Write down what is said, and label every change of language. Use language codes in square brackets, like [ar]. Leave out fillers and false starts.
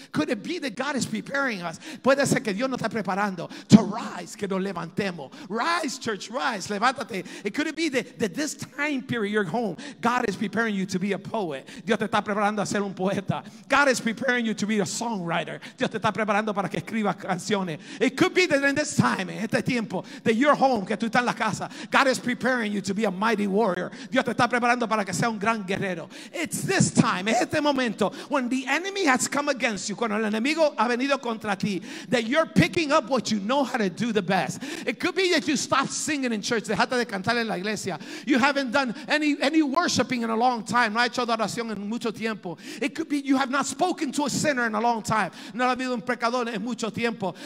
[en] Could it be that God is preparing us? [es] Puede ser que Dios nos está preparando [en] to rise, [es] que nos levantemos. [en] Rise, church, rise, [es] levántate. [en] It could it be that this time period you're home, God is preparing you to be a poet. [es] Dios te está preparando a ser un poeta. [en] God is preparing you to be a songwriter. Dios te está preparando para que escribas canciones. It could be that in this time, [es] en este tiempo, [en] that you're home, [es] que tú estás en la casa, [en] God is preparing you to be a mighty warrior. [es] Dios te está preparando para que sea un gran guerrero. [en] It's this time, [es] es este momento, [en] when the enemy has come against you, [es] cuando el enemigo ha venido contra ti, [en] that you're picking up what you know how to do the best. It could be that you stopped singing in church, [es] dejaste de cantar en la iglesia. [en] You haven't done any worshiping in a long time. [es] No ha hecho adoración en mucho tiempo. [en] It could be you have not spoken to a sinner in a long time. [es] No ha habido un pecador en mucho tiempo.